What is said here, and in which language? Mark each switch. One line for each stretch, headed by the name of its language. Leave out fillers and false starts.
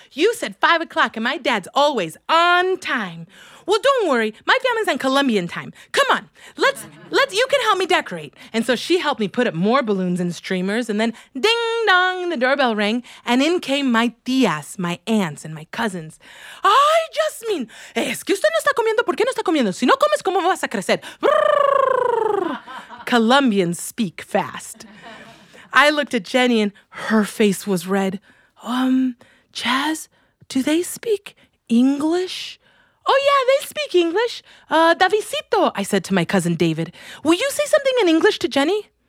English: You said 5 o'clock, and my dad's always on time. Well, don't worry. My family's on Colombian time. Come on. You can help me decorate. And so she helped me put up more balloons and streamers, and then ding dong, the doorbell rang, and in came my tías, my aunts, and my cousins.
Spanish: Ay, Jasmine, es que usted no está comiendo. ¿Por qué no está comiendo? Si no comes, ¿cómo vas a crecer?
English: Brrr. Colombians speak fast. I looked at Jenny, and her face was red. Jazz, do they speak English? Oh, yeah, they speak English. Davidito, I said to my cousin David. Will you say something in English to Jenny?